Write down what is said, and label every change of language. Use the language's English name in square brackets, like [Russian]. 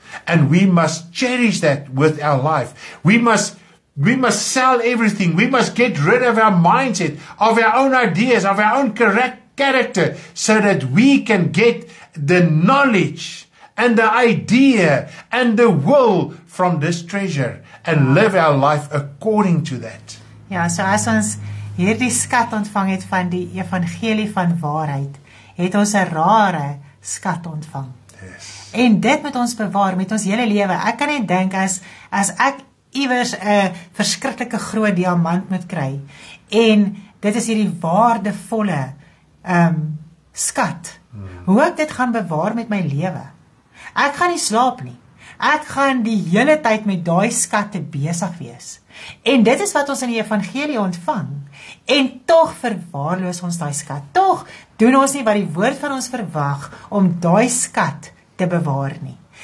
[English] And we must cherish that with our life. We must sell everything. We must get rid of our mindset, of our own ideas, of our own correct character, so that we can get the knowledge and the idea and the will from this treasure and live our life according to that. [Afrikaans] Ja, so as ons hierdie skat ontvang het van die evangelie van waarheid, het ons 'n rare skat ontvang. [English] Yes. [Afrikaans] En dit moet ons bewaar met ons hele lewe. Ek kan net dink as ek iewers 'n verskriklike groot diamant moet kry en dit is hierdie waardevolle skat. Hoe ek dit gaan bewaar met my lewe. Ek gaan nie slaap nie. Ek gaan die hele tyd met daai skatte besig wees. En dit is wat ons in die evangelie ontvang. En tog verwaarloos ons daai skat. Tog doen ons nie wat die woord van ons verwag om daai skat te bewaar nie.